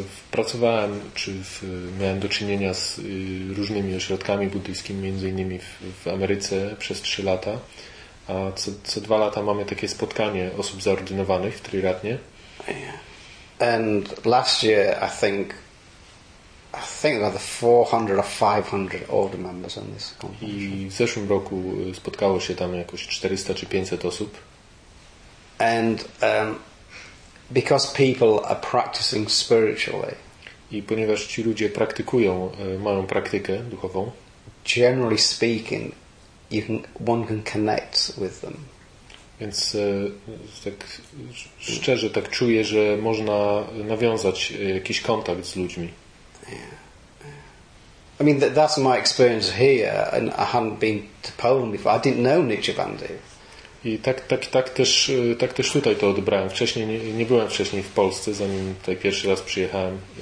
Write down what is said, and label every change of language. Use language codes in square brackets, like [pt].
[pl] Pracowałem, miałem do czynienia z różnymi ośrodkami buddyjskimi, między innymi w Ameryce przez 3 lata. A co 2 lata mamy takie spotkanie osób zaordynowanych w triratnie. [en] And last year, I think there were 400 or 500 older members on this convention. [pl] I w zeszłym roku spotkało się tam jakoś 400 czy 500 osób. [en] And because people are practicing spiritually. [pl] I ponieważ ci ludzie praktykują, mają praktykę duchową. [en] Generally speaking, one can connect with them. [pl] Więc tak szczerze tak czuję, że można nawiązać jakiś kontakt z ludźmi. [en] Yeah. I mean that's my experience here, and I hadn't been to Poland before. I didn't know Nityabandhu. [pl] I tak też tutaj to odebrałem. Wcześniej nie byłem wcześniej w Polsce, zanim tutaj pierwszy raz przyjechałem.